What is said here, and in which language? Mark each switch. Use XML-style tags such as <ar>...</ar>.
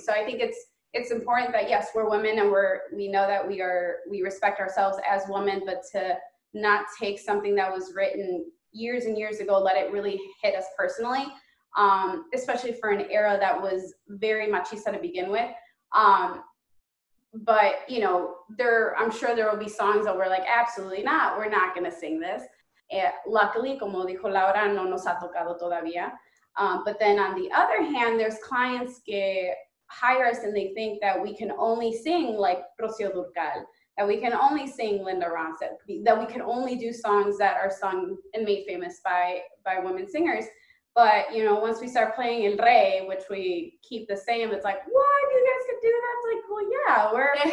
<en>So I think it's important that, yes, we're women and we respect ourselves as women, but to not take something that was written years and years ago, let it really hit us personally, especially for an era that was very machista to begin with. But, you know, I'm sure there will be songs that we're like, absolutely not, we're not going to sing this.</en> <es>Luckily, como dijo Laura, no nos ha tocado todavía.</es> <en>But then on the other hand, there's clients que hire us and they think that we can only sing like Rocío Dúrcal, that we can only sing Linda Ronstadt, that we can only do songs that are sung and made famous by women singers. But, you know, once we start playing El Rey, which we keep the same, it's like, what, you guys can do that?</en>